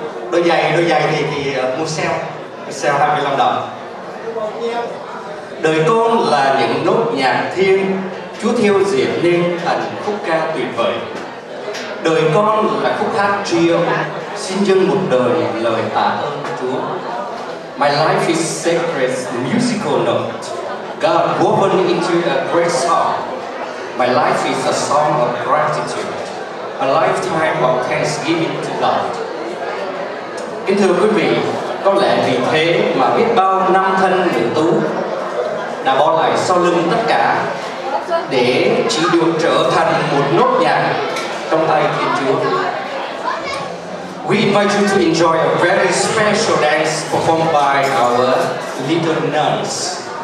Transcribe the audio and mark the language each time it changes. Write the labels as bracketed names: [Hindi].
[Vietnamese] Đôi giày thì mua sale 25 đồng. Đời con là những nốt nhạc thiên, Chúa thiêu diệt nên thành khúc ca tuyệt vời. Đời con là khúc hát tri ân, xin dâng một đời lời tạ ơn Chúa. [English] My life is sacred musical note, God woven into a great song. My life is a song of gratitude, a lifetime of thanksgiving to God. [Vietnamese] Kính thưa quý vị, có lẽ vì thế mà biết bao năm thân nữ tú đã bỏ lại sau lưng tất cả để chỉ được trở thành một nốt nhạc trong tay Thiên Chúa. [English] We invite you to enjoy a very special dance performed by our little nuns.